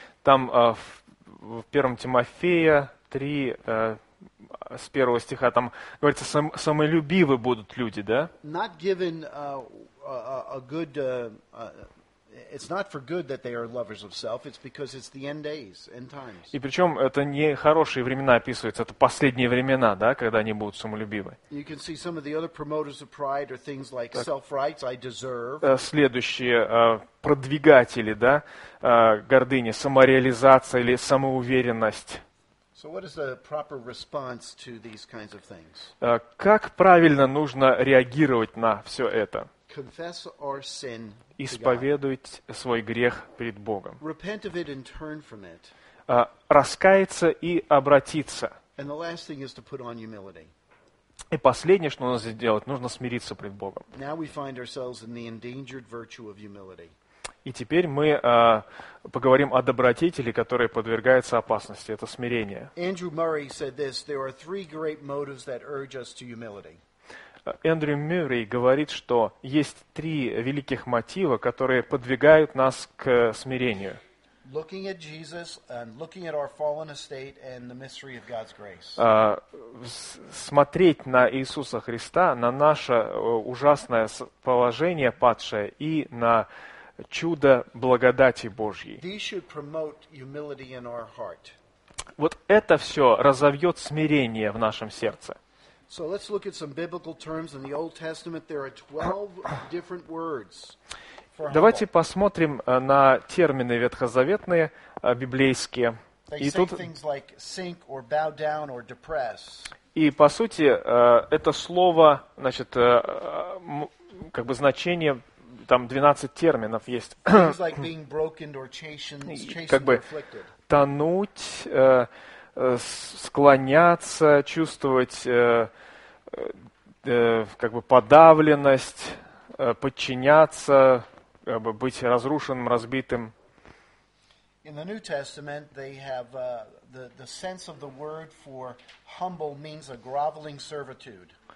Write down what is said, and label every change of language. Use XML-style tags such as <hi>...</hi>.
<ru>Там в 1 Тимофея 3, с 1 стиха, там говорится, самолюбивы будут люди, да?</ru> <en>Not given a good. It's not for good that they are lovers of self, it's because it's the end days, end times.</en> <ru>И причем это не хорошие времена описываются, это последние времена, да, когда они будут самолюбивы.</ru> <en>You can see some of the other promoters of pride are things like self-rights, I deserve.</en> <ru>Следующие продвигатели, да, гордыни, самореализация или самоуверенность.</ru> <en>So what is the proper response to these kinds of things?</en> <ru>Как правильно нужно реагировать на все это?</ru> <en>Confess our sin.</en> <ru>Исповедовать свой грех перед Богом.</ru> <en>Repent of it and turn from it.</en> <ru>Раскаяться и обратиться.</ru> <en>And the last thing is to put on humility.</en> <ru>И последнее, что нужно сделать, нужно смириться пред Богом.</ru> <en>Now we find ourselves in the endangered virtue of humility.</en> <ru>И теперь мы поговорим о добродетели, которая подвергается опасности. Это смирение.</ru> <en>Andrew Murray said this: there are three great motives that urge us to humility.</en> <ru>Эндрю Мюррей говорит, что есть три великих мотива, которые подвигают нас к смирению.</ru> <en>Looking at Jesus and looking at our fallen estate and the mystery of God's grace.</en> <ru>Смотреть на Иисуса Христа, на наше ужасное положение падшее и на чудо благодати Божьей.</ru> <en>These should promote humility in our heart.</en> <ru>Вот это все разовьет смирение в нашем сердце.</ru> <en>So let's look at some biblical terms in the Old Testament. There are 12 different words.</en> <ru>Давайте посмотрим на термины ветхозаветные, библейские.</ru> <en>They say things like sink or bow down or depress.</en> <ru>И по сути, это слово, значит, как бы значение, там 12 терминов есть.</ru> <en>Things like being broken or chastened,</en> <ru>тонуть, склоняться, чувствовать как бы подавленность, подчиняться, как бы быть разрушенным, разбитым.</ru> <en>In the New Testament, they have the sense of the word for humble means a groveling servitude.</en>